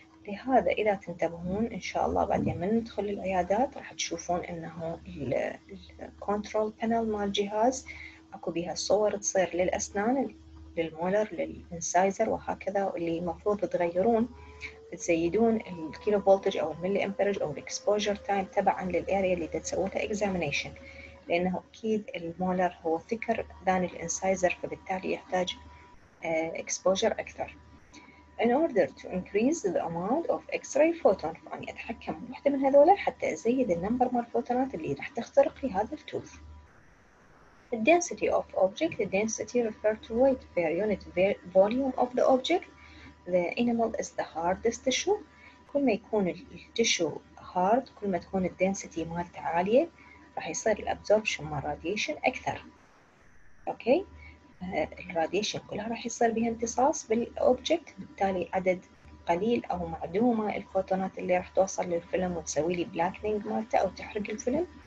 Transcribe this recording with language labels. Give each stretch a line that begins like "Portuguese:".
Arabic: لهذا إذا تنتبهون إن شاء الله بعدين من ندخل العيادات راح تشوفون إنه control panel مال الجهاز أكو بيها صور تصير للأسنان للمولر للإنسايزر وهكذا، اللي مفروض تغيرون تزيدون الكيلو فولتج أو الملي أمبرج أو الإكسبوجر تايم تبعاً للأريا اللي تتسوتها إكزامينيشن، لأنه أكيد المولر هو ثيكر ذان الإنسايزر، فبالتالي يحتاج إكسبوجر أكثر.
English: In order to increase the amount of X-ray photon،
Arabic: فأني أتحكم واحدة من هذولا حتى أزيد النمبر من الفوتونات اللي راح تخترق في هذا التوث.
English: The density of object. The density refer to weight per unit volume of the object. The enamel is the hardest tissue.
Arabic: كل ما يكون التشو hard، كل ما تكون الدنسيتي مالته عالية، راح يصير الابزوربشن مال راديشن أكثر.
English: Okay.
Arabic: الراديشن كلها راح يصير بها امتصاص بالأوبجكت، بالتالي عدد قليل أو معدومة الفوتونات اللي راح توصل للفيلم وتسوي لي بلاكنينج مالته أو تحرق الفيلم.